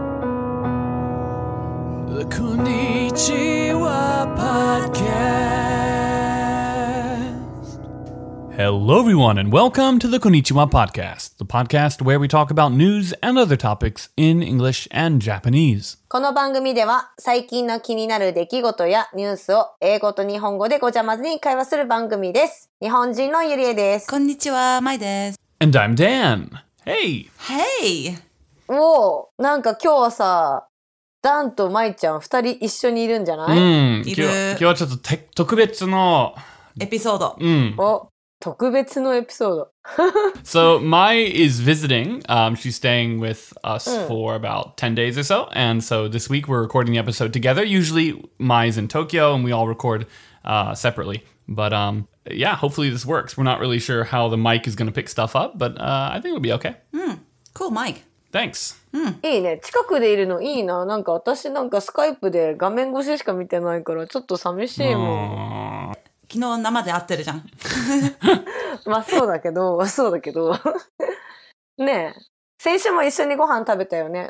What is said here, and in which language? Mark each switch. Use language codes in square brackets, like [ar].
[ja] こんにちは、パッケース。 [en] Hello everyone and welcome to the Konnichiwa Podcast, the podcast where we talk about news and other topics in English and Japanese. [ja] この番組では最近の気になる出来事やニュースを英語と日本語でごちゃ混ぜに会話する番組です。日本人のゆりえです。こんにちは、まいです。 [en] And I'm Dan. Hey! Hey! [ja] おお、なんか今日はさ、ダンとマイちゃん二人一緒にいるんじゃない？うん、いる。今日はちょっと特別のエピソード。うん。お、特別のエピソード。 [en] So, Mai is visiting. She's staying with us for about 10 days or so. And so this week we're recording the episode together. Usually, Mai is in Tokyo and we all record separately. But yeah, hopefully this works. We're not really sure how the mic is going to pick stuff up, but I think it'll be okay. うん、cool mic. Thanks. [ja] いいね。近くでいるのいいな。なんか私なんかスカイプで画面越ししか見てないからちょっと寂しいもん。昨日生で会ってるじゃん。まあそうだけど、そうだけど。ねえ、先週も一緒にご飯食べたよね。